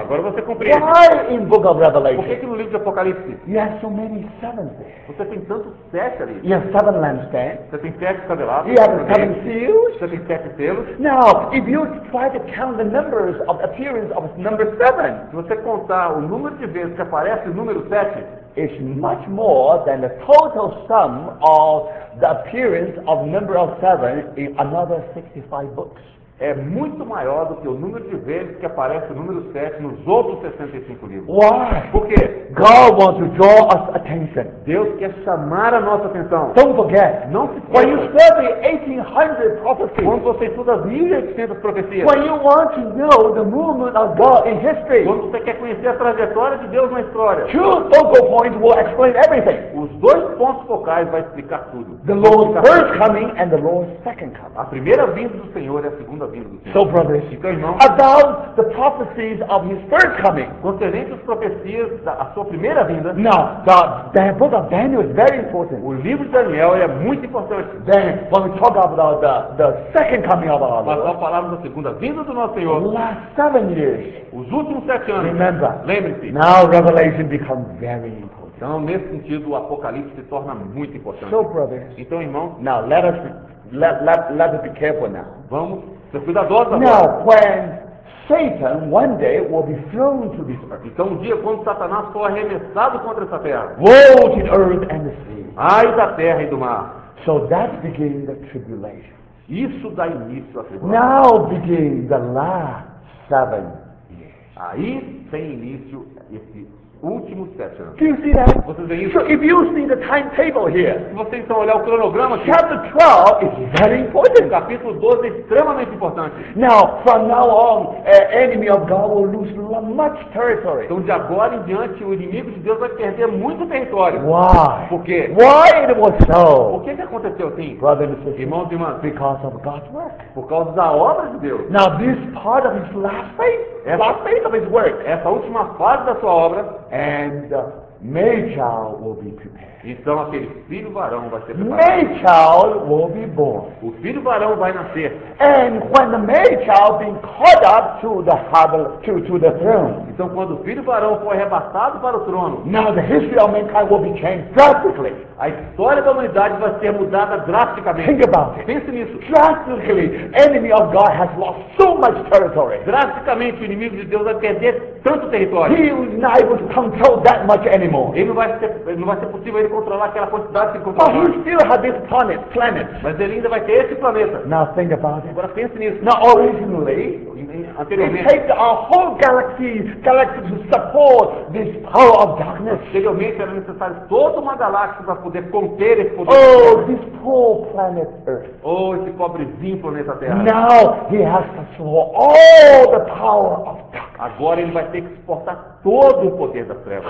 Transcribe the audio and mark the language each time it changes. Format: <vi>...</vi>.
<pt>Agora você compreende.</pt> <en>Why in Book of Revelation?</en> <pt>Por que, que no livro de Apocalipse?</pt> <en>You have so many sevens there.</en> <pt>Você tem tantos 7 ali.</pt> <en>You have 7 lampstands.</en> <pt>Você tem 7 candelabros.</pt> <en>You have 7 seals.</en> <pt>Você tem 7 selos.</pt> <en>Now, if you try to count the numbers of appearance of number 7.</en> <pt>Se você contar o número de vezes que aparece o número 7.</pt> <en>It's much more than the total sum of the appearance of number of 7 in another 65 books.</en> <pt>É muito maior do que o número de vezes que aparece o número 7 nos outros 65 livros.</pt> <en>Why?</en> <pt>Por quê?</pt> <en>God wants to draw us attention.</en> <pt>Deus quer chamar a nossa atenção.</pt> <en>Don't forget.</en> <pt>Não se esqueça.</pt> <en>When you study 1800 prophecies.</en> <pt>Quando você estuda 1800 profecias.</pt> <en>When you want to know the movement of God in history.</en> <pt>Quando você quer conhecer a trajetória de Deus na história.</pt> <en>Two focal points will explain everything.</en> <pt>Os dois pontos focais vão explicar tudo.</pt> <en>The Lord's first coming and the Lord's second coming.</en> <pt>A primeira vinda do Senhor e a segunda.</pt> <en>So, brothers, about the prophecies of his first coming.</en> <pt>Concernente as profecias da sua primeira vinda.</pt> <en>Now, the book of Daniel is very important.</en> <pt>O livro de Daniel é muito importante.</pt> <en>Then, when we talk about the second coming of our Lord.</en> <pt>Mas ao falarmos da segunda vinda do nosso Senhor.</pt> <en>Last 7 years.</en> <pt>Os últimos 7 anos.</pt> <en>Remember.</en> <pt>Lembre-se.</pt> <en>Now, Revelation becomes very important.</en> <pt>Então, nesse sentido, o Apocalipse se torna muito importante.</pt> <en>So, brothers.</en> <pt>Então, irmão.</pt> <en>Now, let us be careful now.</en> <pt>Vamos. Cuidadosa,</pt> <en>now, when Satan one day will be thrown to this earth.</en> <pt>Então, um dia, quando Satanás for arremessado contra essa terra.</pt> <en>Woe to earth and the sea.</en> <pt>Ai da terra e do mar.</pt> <en>So that's beginning the tribulation.</en> <pt>Isso dá início à tribulação.</pt> <en>Now begin the last 7 years.</en> <pt>Aí tem início esse último 7 anos.</pt> <en>Do you see that?</en> <pt>Vocês veem isso?</pt> <en>So if you see the timetable here,</en> <pt>se vocês estão olhando o cronograma aqui,</pt> <en>chapter 12 is very important.</en> <pt>Capítulo 12 é extremamente importante.</pt> <en>Now, from now on, enemy of God will lose much territory.</en> <pt>Então, de agora em diante, o inimigo de Deus vai perder muito território.</pt> <en>Why?</en> <pt>Por quê?</pt> <en>Why it was so?</en> <pt>Por que que aconteceu assim?</pt> <en>Brother and sister,</en> <pt>irmãos e irmãs,</pt> <en>because of God's work.</en> <pt>Por causa da obra de Deus.</pt> <en>Now, this part of his last phase.</en> <pt>Essa última fase da sua obra.</pt> <en>And the male child will be prepared.</en> <pt>Então aquele filho varão vai ser</pt> <en>preparado. Male child will be born.</en> <pt>O filho varão vai nascer.</pt> <en>And when the male child being caught up to the harbor, to the throne.</en> <pt>Então quando o filho varão for arrebatado para o trono.</pt> <en>Now the history of mankind will be changed drastically.</en> <pt>A história da humanidade vai ser mudada drasticamente.</pt> <en>Think about it.</en> <pt>Pense nisso.</pt> <en>Drastically, enemy of God has lost so much territory.</en> <pt>Drasticamente, o inimigo de Deus vai perder tanto território.</pt> <en>He will not be able to control that much anymore.</en> <pt>Ele não vai ser possível ele controlar aquela quantidade que controla.</pt> <en>But he still has this planet.</en> <pt>Mas ele ainda vai ter esse planeta.</pt> <en>Now think about it.</en> <pt>Agora pense nisso.</pt> <en>Now originally,</en> <pt>anteriormente,</pt> <en>it takes our whole galaxy to support this power of darkness.</en> <pt>Anteriormente era necessário toda uma galáxia para poder conter esse poder.</pt> <en>Oh, this poor planet Earth.</en> <pt>Oh, esse pobrezinho planeta Terra.</pt> <en>Now he has to support all the power of darkness.</en> <pt>Agora ele vai ter que suportar todo o poder das trevas.</pt>